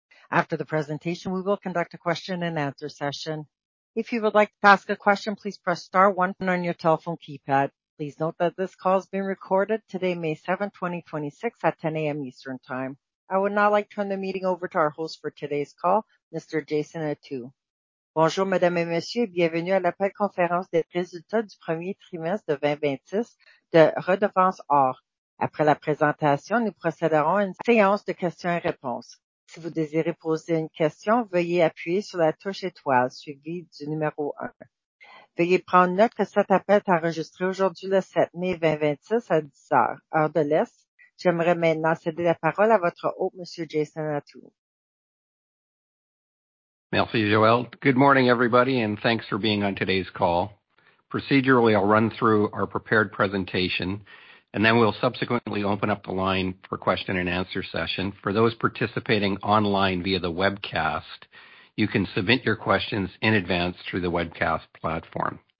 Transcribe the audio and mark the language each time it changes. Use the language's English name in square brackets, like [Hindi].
[English] After the presentation, we will conduct a question-and-answer session. If you would like to ask a question, please press star one on your telephone keypad. Please note that this call is being recorded today, May 7, 2026, at 10:00 A.M. Eastern Time. I would now like to turn the meeting over to our host for today's call, Mr. Jason Attew. [French] Bonjour, mesdames et messieurs, bienvenue à l'appel conférence des résultats du premier trimestre de 2026 de Redevance OR. Après la présentation, nous procéderons à une séance de questions-réponses. Si vous désirez poser une question, veuillez appuyer sur la touche étoile suivie du numéro un. Veuillez prendre note que cet appel est enregistré aujourd'hui, le 7 mai 2026, à 10:00 heure de l'Est. J'aimerais maintenant céder la parole à votre hôte, Monsieur Jason Attew. Merci, Joelle. [English] Good morning, everybody, and thanks for being on today's call. Procedurally, I'll run through our prepared presentation, and then we'll subsequently open up the line for question-and-answer session. For those participating online via the webcast, you can submit your questions in advance through the webcast platform.